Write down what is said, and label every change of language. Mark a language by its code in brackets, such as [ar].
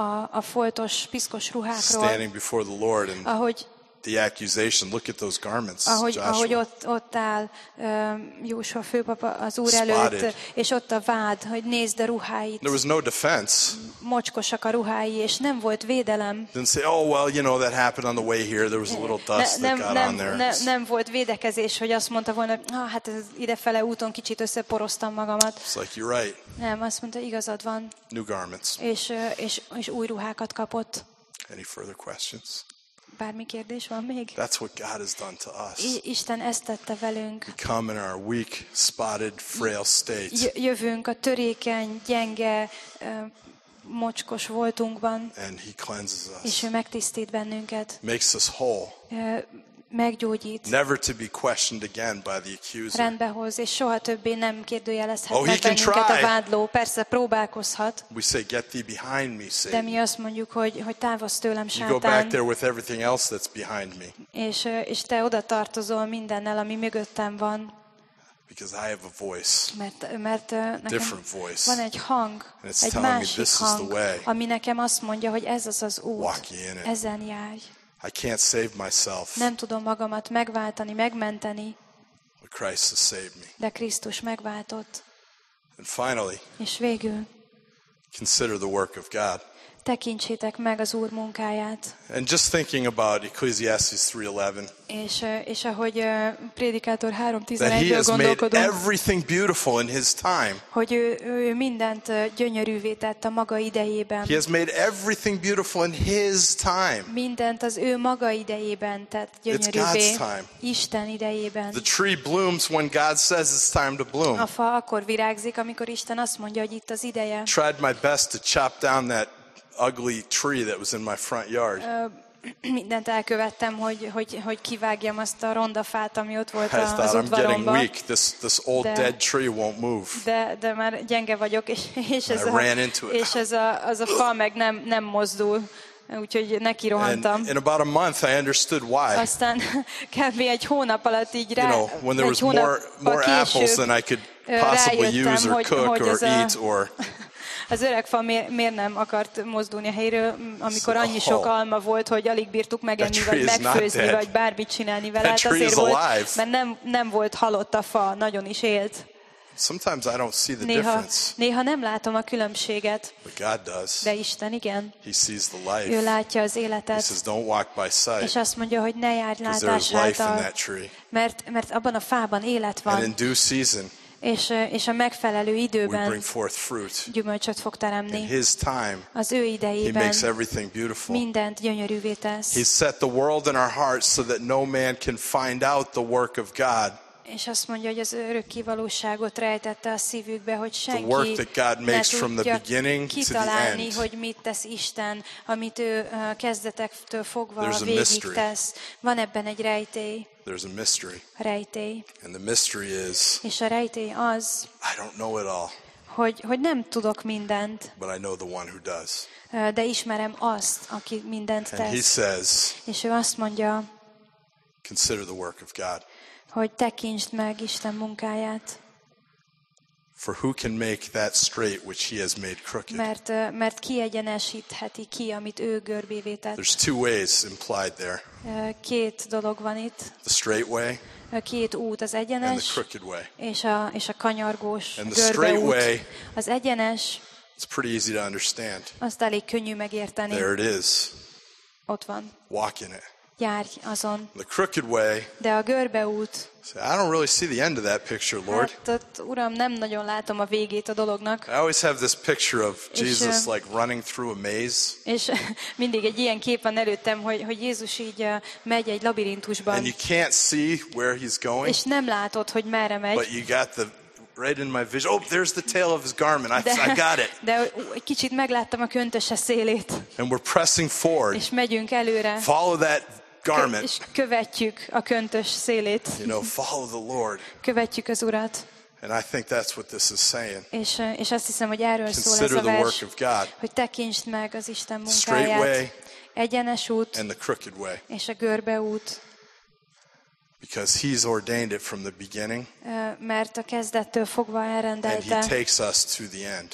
[hu] A foltos, piszkos ruhákról. [en] Standing before the Lord and. [hu] Ahogy [en] the accusation. Look at those garments, [hu] ahogy, Joshua. Ahogy ott áll Joshua főpapa az úr előtt, és ott a vád, hogy nézd a ruháit. [en] There was no defense. [hu] Mocskosak a ruhái, és nem volt védelem. [en] Didn't say, oh, well, you know, that happened on the way here. There was a little dust that got on there. [hu] Nem volt védekezés, hogy azt mondta volna, ah, hát ez idefele úton kicsit összeporoztam magamat. [en] It's like, you're right. [hu] Nem, azt mondta, igazad van. [en] New garments. [hu] És új ruhákat kapott. [en] Any further questions? [hu] Bármi kérdés van még? [en] That's what God has done to us. [hu] Isten ezt tette velünk. [en] We come in our weak, spotted, frail state. [hu] Jövünk a törékeny, gyenge, mocskos voltunkban. [en] And he cleanses us. [hu] És ő megtisztít bennünket. [en] Makes us whole. [hu] Meggyógyít. [en] Never to be questioned again by the accuser. [hu] Rendbe hoz, és soha többé nem kérdőjelezhet bennünket a vádló. Persze próbálkozhat. [en] We say, get thee behind me, Satan. [hu] De mi azt mondjuk, hogy távozz tőlem, Sátán. [en] You go back there with everything else that's behind me. [hu] És te oda tartozol mindennel, ami mögöttem van. [en] Because I have a voice. [hu] Mert [en] a different voice. [hu] Van egy hang, egy másik hang, ami nekem azt mondja, hogy ez az az út. [en] Walk ye in it. [hu] Ezen járj. [en] I can't save myself. [hu] Nem tudom magamat megváltani, megmenteni. [en] But Christ has saved me. [hu] De Krisztus megváltott. [en] And finally. [hu] És végül. [en] Consider the work of God. [hu] Tekintsétek meg az Úr munkáját. [en] And just thinking about Ecclesiastes 3:11. [hu] És ahogy Prédikátor 3:11-ről gondolkodunk. [en] Everything beautiful in his time. [hu] Hogy ő mindent gyönyörűvé tett a maga idejében. [en] He has made everything beautiful in his time. [hu] Mindent az ő maga idejében tett gyönyörűvé. Isten idejében. [en] The tree blooms when God says it's time to bloom. [hu] A fa akkor virágzik, amikor Isten azt mondja, hogy itt az ideje. [en] Tried my best to chop down that ugly tree that was in my front yard. [hu] Mindent elkövettem, hogy kivágjam azt a ronda fát, ami ott volt az udvaromba. [en] I'm getting weak. This old dead tree won't move. [hu] De már gyenge vagyok, és ez a fa meg nem mozdul. Úgyhogy neki rohantam. [en] In about a month I understood why. [hu] Aztán kb. Egy hónap alatt így rá. [en] You know, when there was more apples than I could possibly use or cook or eat or. [hu] Az öreg fa miért nem akart mozdulni a helyről, amikor annyi sok alma volt, hogy alig bírtuk megenni, vagy megfőzni, vagy bármit csinálni vele. [en] That tree is alive. [hu] Mert nem volt halott a fa, nagyon is élt. [en] Sometimes I don't see the difference. [hu] Néha nem látom a különbséget. [en] But God does. [hu] De Isten igen. [en] He sees the life. [hu] Ő látja az életet. [en] He says, don't walk by sight. [hu] És azt mondja, hogy ne járj látás által. Mert abban a fában élet van. [en] And in due season. [hu] És a megfelelő időben gyümölcsöt fog teremni. Az ő idejében mindent gyönyörűvé tesz. [en] He set the world in our hearts so that no man can find out the work of God. [hu] És azt mondja, hogy az örökké valóságot rejtette a szívükbe, hogy senki ne tudja kitalálni, hogy mit tesz Isten, amit ő kezdetektől fogva végig tesz. Van ebben egy rejtély. [en] There's a mystery. [hu] Rejtély. [en] And the mystery is. [hu] És a rejtély az. [en] I don't know it all. [hu] Hogy nem tudok mindent. [en] But I know the one who does. [hu] De ismerem azt, aki mindent tesz. [en] And he says. [hu] És ő azt mondja. [en] Consider the work of God. [hu] Hogy tekintsd meg Isten munkáját. [en] For who can make that straight which he has made crooked? [hu] Mert kiegyenesítheti ki, amit ő görbévé tett. [en] There's two ways implied there. [hu] Két dolog van itt. [en] The straight way. [hu] Két út, az egyenes. [en] And the crooked way. [hu] És a kanyargós, [en] and the straight way. [hu] Az egyenes. [en] It's pretty easy to understand. [hu] Azt elég könnyű megérteni. [en] There it is. [hu] Ott van. [en] Walk in it. [hu] Járj azon. [en] The crooked way. [hu] De a görbe út. [en] Say, I don't really see the end of that picture, Lord. [hu] Hát, Uram, nem nagyon látom a végét a dolognak. [en] I always have this picture of Jesus like running through a maze. [hu] És mindig egy ilyen kép van előttem, hogy Jézus így megy egy labirintusban. [en] And you can't see where he's going. [hu] És nem látod, hogy merre megy. [en] But you got the right in my vision. Oh, there's the tail of his garment. I got it. [hu] De egy kicsit megláttam a köntöse szélét. [en] And we're pressing forward. [hu] És megyünk előre. [en] Follow that garment. [hu] És követjük a köntös szélét. [en] You know, follow the Lord. [hu] Követjük az Urat. [en] And I think that's what this is saying. [hu] És azt hiszem, hogy erről [en] consider [hu] szól ez a vers. [en] The work of God. [hu] Hogy tekintsd meg az Isten munkáját. [en] Straight way. [hu] Egyenes út. [en] And the crooked way. [hu] És a görbe út. [en] Because he's ordained it from the beginning. [hu] Mert a kezdettől fogva elrendelte. [en] And he takes us to the end.